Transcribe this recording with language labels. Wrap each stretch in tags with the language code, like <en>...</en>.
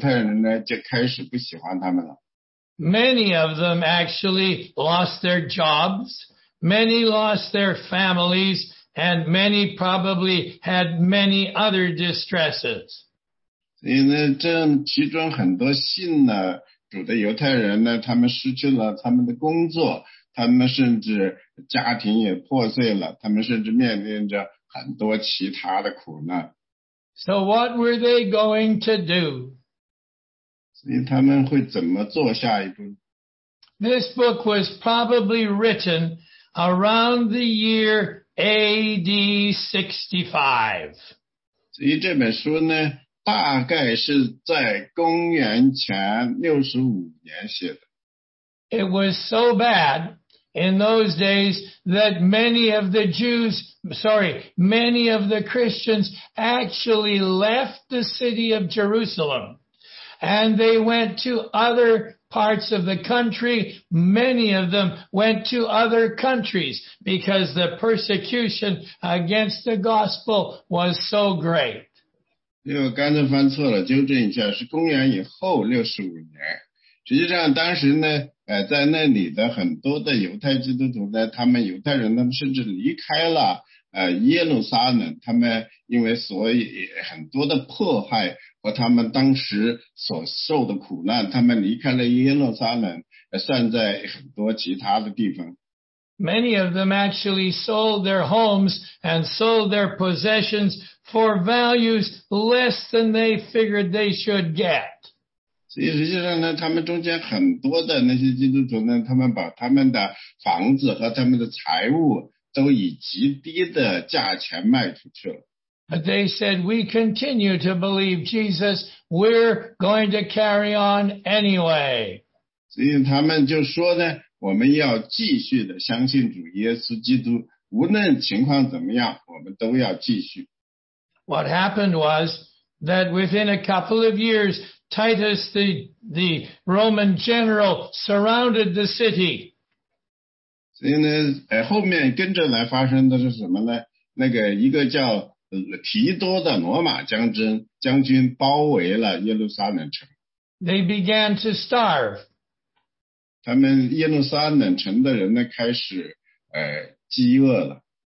<zh>所以呢，当他们开始追随主耶稣基督的时候呢，另外一些不信的犹太人呢，就开始不喜欢他们了。</zh> <en>Many of them actually lost their jobs, many lost their families, and many probably had many other distresses.</en> <zh>所以呢，这其中很多信了主的犹太人呢，他们失去了他们的工作。他们甚至家庭也破碎了，他们甚至面临着很多其他的苦难。</zh> <en>So what were they going to do?</en> <zh>所以他们会怎么做下一步？</zh> <en>This book was probably written around the year A.D. 65.</en> <zh>所以这本书呢，大概是在公元前65年写的。</zh> <en>It was so bad in those days that many of the Christians actually left the city of Jerusalem and they went to other parts of the country. Many of them went to other countries because the persecution against the gospel was so great.</en> <zh>我刚才翻错了，纠正一下，是公元以后65年。实际上当时呢，在那里的很多的犹太基督徒呢，他们犹太人他们甚至离开了耶路撒冷，他们因为所以很多的迫害和他们当时所受的苦难，他们离开了耶路撒冷，散在很多其他的地方。</zh> <en>Many of them actually sold their homes and sold their possessions for values less than they figured they should get.</en> <zh>所以实际上呢，他们中间很多的那些基督徒呢，他们把他们的房子和他们的财物都以极低的价钱卖出去了。</zh> <en>But they said, we continue to believe Jesus, we're going to carry on anyway.</en> <zh>所以他们就说呢，我们要继续的相信主耶稣基督，无论情况怎么样，我们都要继续。</zh> <en>What happened was that within a couple of years,Titus, the Roman general, surrounded the city.</en> <zh>所以呢，后面跟着来发生的是什么呢？那个一个叫提多的罗马将军包围了耶路撒冷城。 They began to starve. 他们耶路撒冷城的人呢，开始饥饿了。</zh>